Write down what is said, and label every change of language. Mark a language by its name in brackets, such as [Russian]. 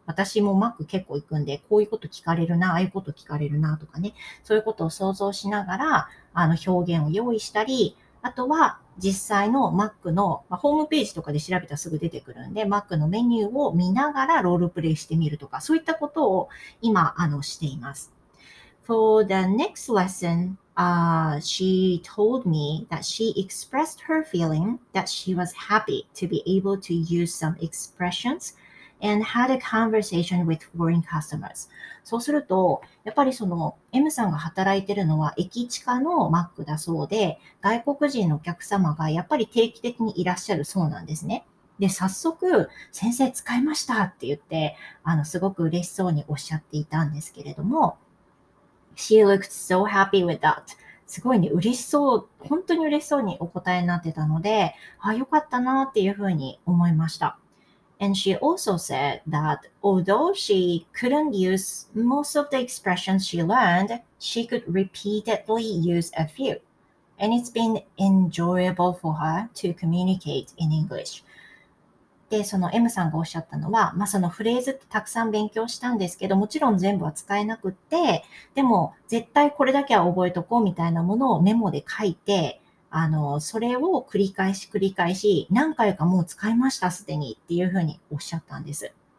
[Japanese] 私も Mac 結構行くんで、こういうこと聞かれるな、ああいうこと聞かれるなとかね。そういうことを想像しながら、表現を用意したり、あとは実際の Mac の、ホームページとかで調べたらすぐ出てくるんで、Mac のメニューを見ながらロールプレイしてみるとか、そういったことを今、しています。 [English] For the next lesson, she told me that she expressed her feeling that she was happy to be able to use some expressions and had a conversation with foreign customers. [Japanese] そうすると、やっぱりその M さんが働いてるのは駅近のマックだそうで、外国人のお客様がやっぱり定期的にいらっしゃるそうなんですね。で、早速、先生使いましたって言って、すごく嬉しそうにおっしゃっていたんですけれども、 [English] She looked so happy with that. [Japanese] すごいね、嬉しそう、本当に嬉しそうにお答えになってたので、あ、よかったなっていうふうに思いました。 [English] And she also said that although she couldn't use most of the expressions she learned, she could repeatedly use a few. And it's been enjoyable for her to communicate in English. [Japanese] で、その M さんがおっしゃったのは、そのフレーズってたくさん勉強したんですけど、もちろん全部は使えなくって、でも絶対これだけは覚えとこうみたいなものをメモで書いて、それを繰り返し繰り返し、何回かもう使いましたすでにっていうふうにおっしゃったんです。